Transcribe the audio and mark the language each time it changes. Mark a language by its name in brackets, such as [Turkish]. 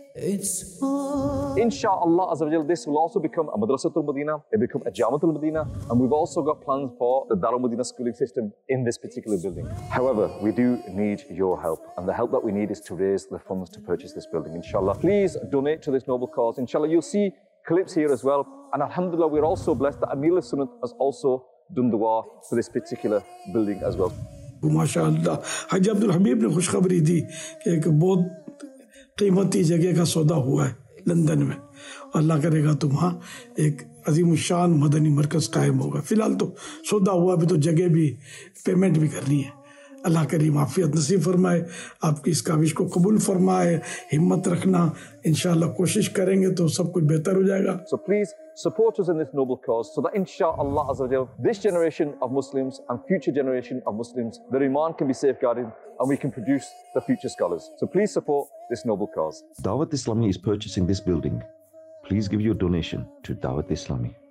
[English] Inshallah, Azzawajal, this will also become a Madrasatul Madina, it become a Jamatul Madina, and we've also got plans for the Darul Madina schooling system in this particular building. However, we do need your help, and the help that we need is to raise the funds to purchase this building, inshallah. Please donate to this noble cause, inshallah. You'll see clips here as well, and alhamdulillah, we're also blessed that Amir al-Sunnat has also done dua for this particular building as well. [Urdu] MashaAllah, Haji Abdul Habib ne khush khabri di ke ek bahut قیمتی جگہ کا سودا ہوا ہے London میں اللہ کرے گا تو وہاں ایک عظیم الشان مدنی مرکز قائم ہوگا فی الحال تو سودا ہوا ابھی تو جگہ بھی پیمنٹ بھی کرنی ہے اللہ کریم عافیت نصیب فرمائے آپ کی اس کاوش کو قبول فرمائے ہمت رکھنا انشاءاللہ کوشش کریں گے تو سب کچھ بہتر ہو جائے گا [English] So please support us in this noble cause so that inshallah azawajal, this generation of Muslims and future generation of Muslims, their iman can be safeguarded and we can produce the future scholars. So please support this noble cause. Dawat Islami is purchasing this building. Please give your donation to Dawat Islami.